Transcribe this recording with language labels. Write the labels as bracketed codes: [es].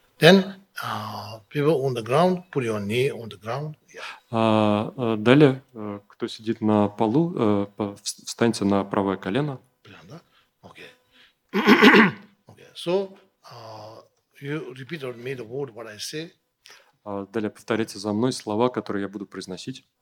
[en] Then people on the ground, put your knee on the ground. [ru] Далее, кто сидит на полу, встаньте на правое колено. [en] Okay. So, you repeat on me the word what I say. [ru] Далее повторяйте за мной слова, которые я буду произносить.